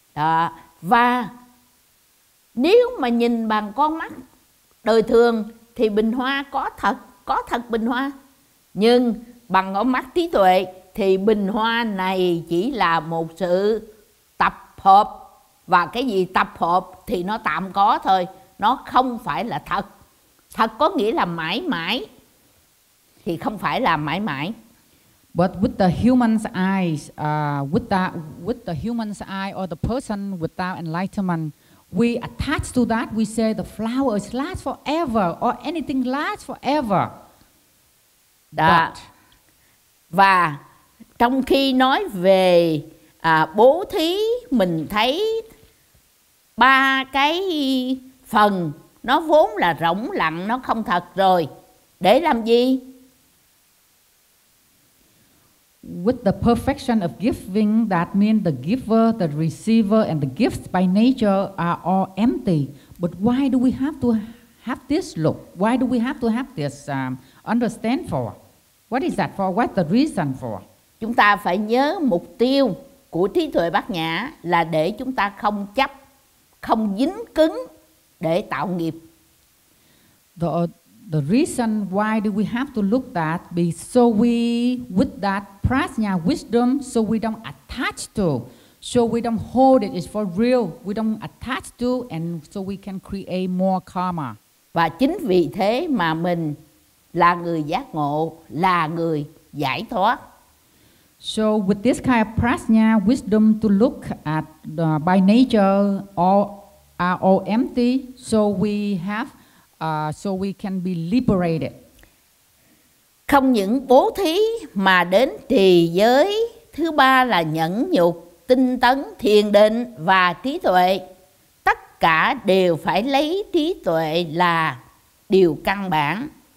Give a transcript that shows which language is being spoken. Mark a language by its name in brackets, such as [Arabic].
[Vietnamese] Đó. Và nếu mà nhìn bằng con mắt đời thường thì bình hoa có thật bình hoa. Nhưng bằng con mắt trí tuệ thì bình hoa này chỉ là một sự tập hợp. Và cái gì tập hợp thì nó tạm có thôi, nó không phải là thật. Thật có nghĩa là mãi mãi, thì không phải là mãi mãi. [English] But with the human's eyes, with the human's eye or the person without enlightenment, we attach to that, we say the flowers last forever or anything lasts forever. [Vietnamese] Đó. [English] But... [Vietnamese] Và trong khi nói về bố thí, mình thấy ba cái phần nó vốn là rỗng lặng, nó không thật rồi, để làm gì? [English] With the perfection of giving, that means the giver, the receiver and the gift by nature are all empty. But why do we have to have this look? Why do we have to have this understand for? What is that for? What's the reason for? [Vietnamese] Chúng ta phải nhớ mục tiêu của trí tuệ Bát Nhã là để chúng ta không chấp, không dính cứng để tạo nghiệp. [English] The reason why do we have to look that be so we with that prajna wisdom so we don't attach to, so we don't hold it is for real, we don't attach to and so we can create more karma. [Vietnamese] Và chính vì thế mà mình là người giác ngộ, là người giải thoát. [English] So with this kind of prajna wisdom to look at the, by nature all are all empty, so we have so we can be liberated. [Vietnamese] Không những bố thí mà đến trì giới thứ ba là nhẫn nhục, tinh tấn, thiền định và trí tuệ. Tất cả đều phải lấy trí tuệ là điều căn bản.